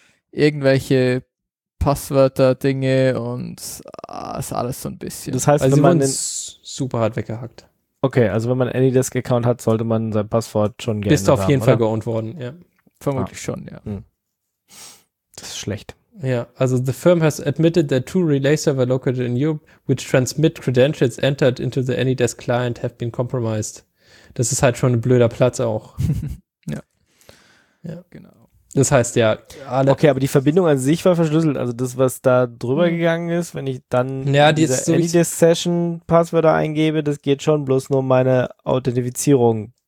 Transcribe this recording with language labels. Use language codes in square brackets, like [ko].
[de] Irgendwelche Passwörter-Dinge und ist alles so ein bisschen. Das heißt, wenn man super hart weggehackt. Okay, also wenn man Anydesk-Account hat, sollte man sein Passwort schon geändert haben. Bist auf jeden Fall geowned worden, ja. Vermutlich schon, ja. Das ist schlecht. Ja, also [en] the firm has admitted that two relay server located in Europe, which transmit credentials entered into the Anydesk client, have been compromised. [de] Das ist halt schon ein blöder Platz auch. Ja. Ja, genau. Das heißt ja, alle. Okay, aber die Verbindung an sich war verschlüsselt. Also das, was da drüber gegangen ist, wenn ich dann diese Anydesk-Session-Passwörter eingebe, das geht schon, bloß nur meine Authentifizierung.